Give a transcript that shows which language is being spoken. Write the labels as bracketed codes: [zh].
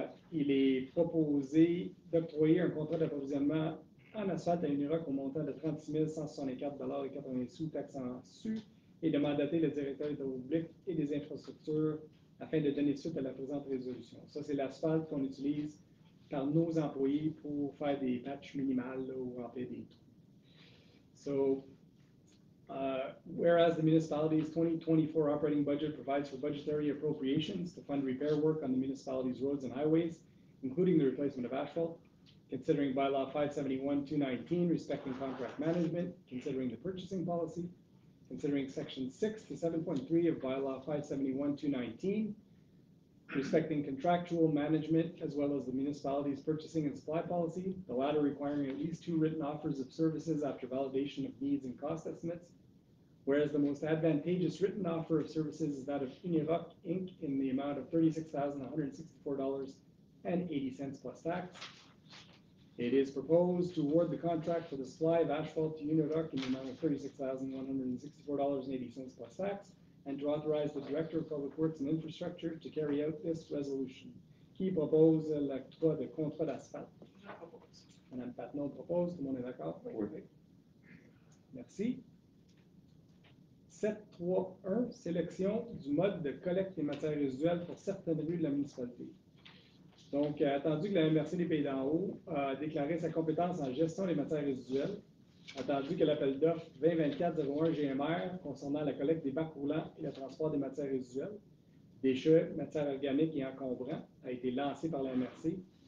[fr] Il est proposé d'octroyer un contrat d'approvisionnement en asphalte à Uniroc au montant de $36,164.80 taxes en sus et de mandater le directeur des travaux publics et des infrastructures afin de donner suite à la présente résolution. Ça, c'est l'asphalte qu'on utilise par nos employés pour faire des patchs minimales ou remplir des trous. [en] So, whereas the municipality's 2024 operating budget provides for budgetary appropriations to fund repair work on the municipality's roads and highways, including the replacement of asphalt, considering bylaw 571-219 respecting contract management, considering the purchasing policy, considering section 6 to 7.3 of bylaw 571-219 respecting contractual management as well as the municipality's purchasing and supply policy, the latter requiring at least 2 written offers of services after validation of needs and cost estimates, whereas the most advantageous written offer of services is that of Uniroc Inc. in the amount of $36,164.80 plus tax. It is proposed to award the contract for the supply of asphalt to Uniroc in the amount of $36,164.80 plus tax, and to authorize the Director of Public Works and Infrastructure to carry out this resolution. [fr] Qui propose l'octroi de contrat d'asphalte? Je propose. Madame Patnaud propose, tout le monde est d'accord? Oui. Oui. Merci. 731, sélection du mode de collecte des matières résiduelles pour certaines rues de la municipalité. Donc, attendu que la MRC des Pays d'en haut a déclaré sa compétence en gestion des matières résiduelles, attendu que l'appel d'offres 2024-01 GMR concernant la collecte des bacs roulants et le transport des matières résiduelles, déchets, matières organiques et encombrants a été lancé par la MRC,